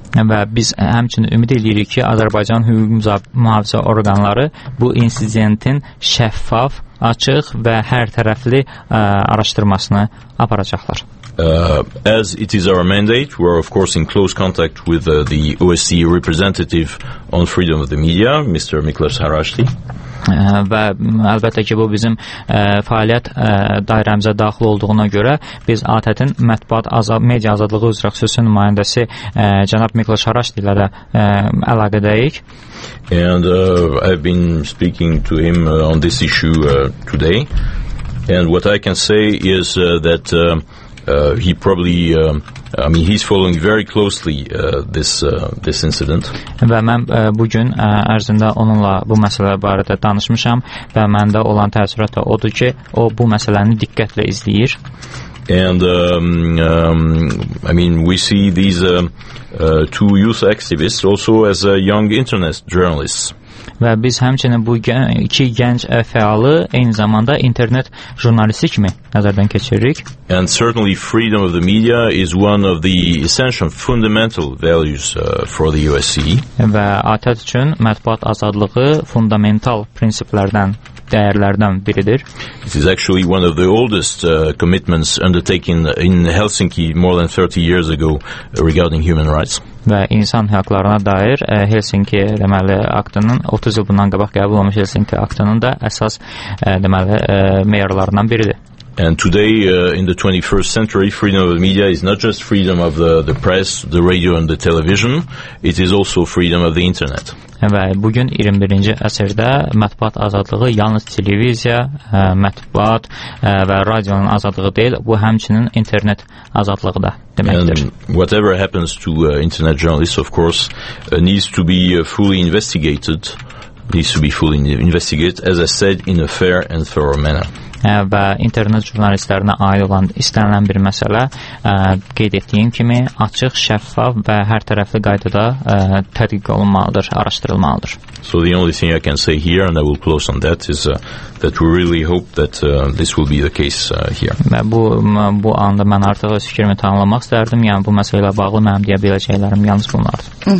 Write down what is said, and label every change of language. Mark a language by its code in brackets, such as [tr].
[az] Və biz həmçinin ümid edirik ki, Azərbaycan hüquq mühafizə orqanları bu insidentin şəffaf, açıq və hər tərəfli araşdırmasını aparacaqlar. [en] As it is our mandate, we are of course in close contact with the OSCE representative on freedom of the media, Mr. Miklos Harashti. [az] Və əlbəttə ki, bu bizim fəaliyyət dairəmizə daxil olduğuna görə biz ATƏT-in mətbuat media azadlığı üzrə xüsusi nümayəndəsi cənab Mikla Şaraşdi ilə də əlaqədəyik. [en] And I've been speaking to him on this issue today. And what I can say is that he probably I mean he's following very closely this incident. [az] Və mən bu gün ərzində onunla bu məsələ barədə danışmışam və məndə olan təəssürat da odur ki, o bu məsələni diqqətlə izləyir. [en] And I mean we see these two youth activists also as young internet journalists. [az] Və biz həmçinin bu iki gənc fəalı eyni zamanda internet jurnalisti kimi nəzərdən keçiririk. [en] And certainly freedom of the media is one of the essential fundamental values for the OSCE. [az] Və ATƏT üçün mətbuat azadlığı fundamental prinsiplərdən dəyərlərdən biridir. [en] It is actually one of the oldest commitments undertaken in Helsinki more than 30 years ago regarding human rights. [az] Və insan hüquqlarına dair Helsinki deməli aktının 30 il bundan qabaq qəbul olmuş Helsinki aktının da əsas deməli meyarlarından biridir. [en] And today in the 21st century freedom of the media is not just freedom of the press, the radio and the television, it is also freedom of the internet. [az] Və bu gün 21-ci əsrdə mətbuat azadlığı yalnız televiziya, mətbuat və radionun azadlığı deyil, bu həmçinin internet azadlığı da deməkdir. [en] And whatever happens to internet journalists of course needs to be fully investigated. Needs to be fully investigated as I said in a fair and thorough manner. [az] Və internet jurnalistlərinə aid olan istənilən bir məsələ qeyd etdiyim kimi açıq, şəffaf və hər tərəfli qaydada tədqiq olunmalıdır, araşdırılmalıdır. [en] So the only thing I can say here and I will close on that is that we really hope that this will be the case here. [az] Və bu anda mən artıq öz fikrimi tanımlamaq istərdim. Yəni bu məsələlə bağlı mənim deyə biləcəklərim yalnız bunlardır.